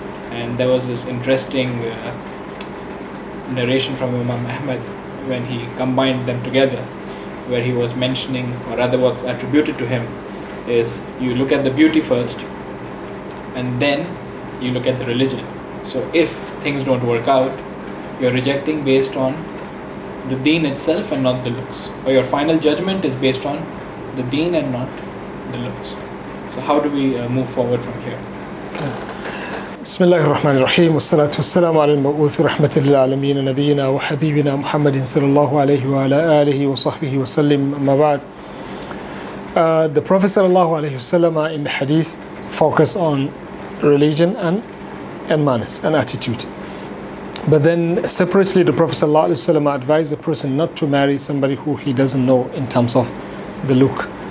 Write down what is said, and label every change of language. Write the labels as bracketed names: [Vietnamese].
[English] And there was this interesting narration from Imam Ahmad when he combined them together, where he was mentioning, or rather what's attributed to him, is you look at the beauty first and then you look at the religion. So if things don't work out, you're rejecting based on the deen itself and not the looks, or your final judgment is based on the deen and not the looks. So how do we move forward from here? [Arabic] بسم الله الرحمن الرحيم والصلاة والسلام على المبعوث رحمة للعالمين نبينا وحبيبنا محمد صلى الله عليه وعلى آله وصحبه وسلم ما بعد. [English] The Prophet sallallahu alaihi wasallam in the hadith focus on religion and manners and attitude. But then separately, the Prophet sallallahu alaihi wasallam advised a person not to marry somebody who he doesn't know in terms of the look.